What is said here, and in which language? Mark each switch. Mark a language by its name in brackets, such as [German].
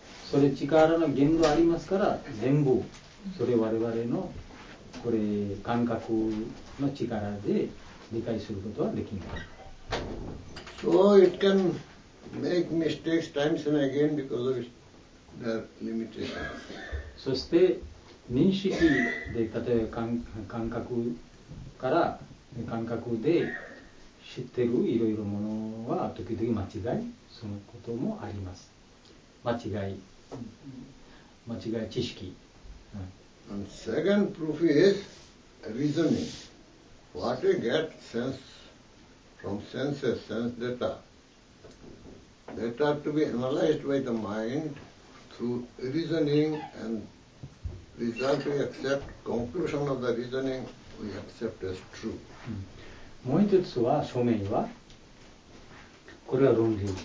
[Japanese] それ力の限度ありますから、全部それ我々のこれ感覚の力で理解することはできない。 [English] So it can make mistakes times and again because of their limitations. [Japanese] そして認識で、例えば感覚から感覚で知ってるいろいろものは時々間違い、そのこともあります。間違い知識、 [English] And second proof is reasoning. What we get sense from senses, sense data, that are to be analyzed by the mind through reasoning and result we accept, conclusion of the reasoning we accept as true. [Japanese] もう一つは、証明は、これは論理。